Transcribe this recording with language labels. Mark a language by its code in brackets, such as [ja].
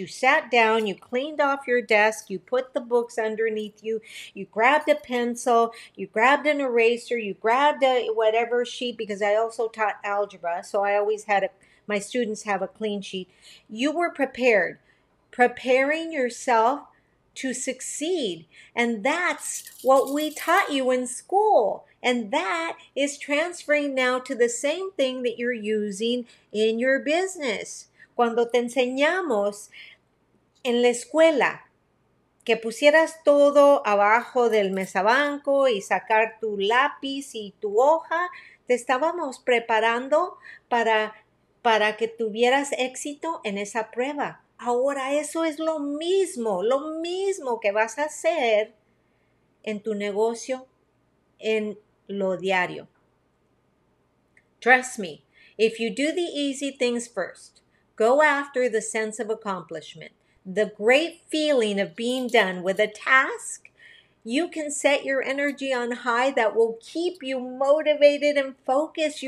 [en] You sat down, you cleaned off your desk, you put the books underneath you, you grabbed a pencil, you grabbed an eraser, you grabbed a whatever sheet, because I also taught algebra, so I always had my students have a clean sheet. You were prepared, preparing yourself to succeed. And that's what we taught you in school. And that is transferring now to the same thing that you're using in your business. [es] Cuando te enseñamos en la escuela que pusieras todo abajo del mesabanco y sacar tu lápiz y tu hoja, te estábamos preparando para que tuvieras éxito en esa prueba. Ahora eso es lo mismo que vas a hacer en tu negocio, en lo diario. [en] Trust me, if you do the easy things first, go after the sense of accomplishment, the great feeling of being done with a task, you can set your energy on high that will keep you motivated and focused.